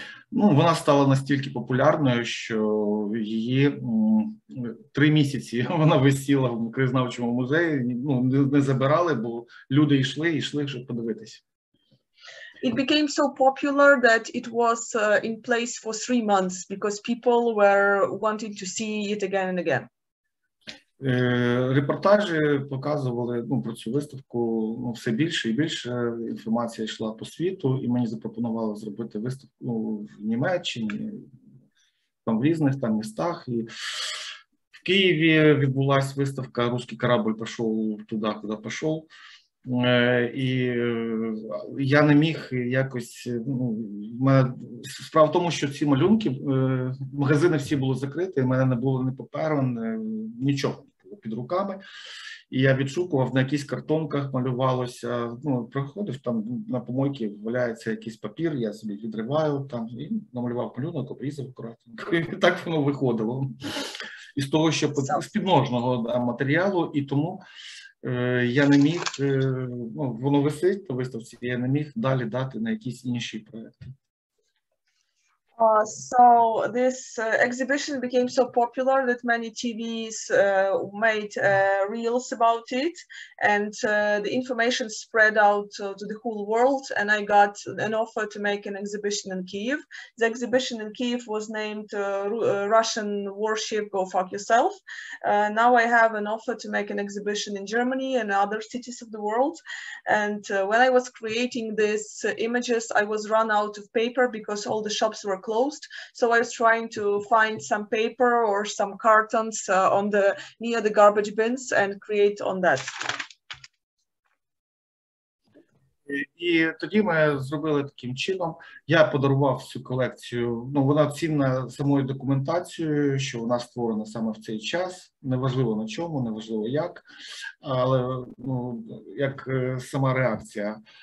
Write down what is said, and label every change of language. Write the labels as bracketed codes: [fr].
[uk] Ну, вона стала настільки популярною, що її три місяці вона висіла в краєзнавчому музеї, ну, не забирали, бо люди йшли, щоб подивитися. [en] It became so popular that it was in place for 3 months because people were wanting to see it again and again. [uk] Репортажі показували, ну, про цю виставку, ну, все більше і більше інформація йшла по світу, і мені запропонували зробити виставку, ну, в Німеччині, там в різних там містах. І в Києві відбулася виставка «Русський корабль пішов туди, куди пішов». І я не міг якось, ну, справа в тому, що ці малюнки, магазини всі були закриті, у мене не було ні паперу, нічого під руками. І я відшукував, на якісь картонках малювалося, ну, приходив, там на помойці валяється якийсь папір, я собі відриваю там і намалював малюнок, обрізав аккуратно. І так воно виходило. Із того, що з підножного матеріалу, і тому я не міг, ну, воно висить на виставці, я не міг далі дати на якісь інші проекти. [en] So this exhibition became so popular that many TVs made reels about it, and the information spread out to the whole world, and I got an offer to make an exhibition in Kyiv. The exhibition in Kyiv was named Russian Warship Go Fuck Yourself. Now I have an offer to make an exhibition in Germany and other cities of the world, and when I was creating these images, I was run out of paper because all the shops were closed. So I was trying to find some paper or some cartons on the near the garbage bins and create on that. [uk] І тоді ми зробили таким чином. Я подарував цю колекцію. Ну, вона цінна самою документацією, що вона створена саме в цей час. Неважливо на чому, неважливо як, але, ну, як сама реакція.